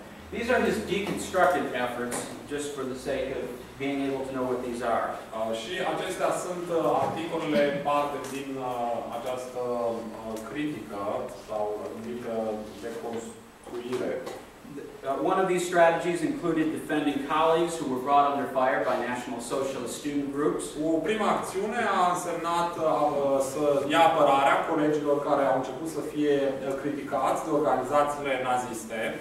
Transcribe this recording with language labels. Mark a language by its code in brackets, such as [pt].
[en] These are his deconstructed efforts, just for the sake of being able to know what these are. [ro] Și acestea sunt articolele în parte din această critică sau mică deconstruire. [en] One of these strategies included defending colleagues who were brought under fire by National Socialist student groups. [ro] O prima acțiune a însemnat să ia apărarea colegilor care au început să fie criticați de organizațiile naziste.